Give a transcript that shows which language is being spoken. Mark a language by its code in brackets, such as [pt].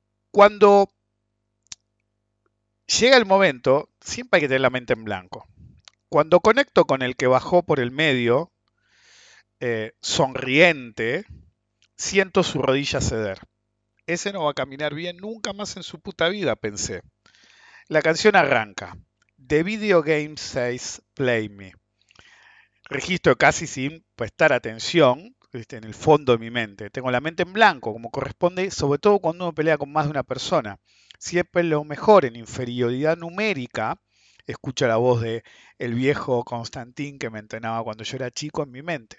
[es] Cuando llega el momento, siempre hay que tener la mente en blanco. Cuando conecto con el que bajó por el medio, sonriente, siento su rodilla ceder. Ese no va a caminar bien nunca más en su puta vida, pensé. La canción arranca. [en] The video game says, play me. [es] Registro casi sin prestar atención, ¿viste? En el fondo de mi mente. Tengo la mente en blanco, como corresponde, sobre todo cuando uno pelea con más de una persona. Siempre lo mejor en inferioridad numérica, escucho la voz de el viejo Constantín que me entrenaba cuando yo era chico en mi mente.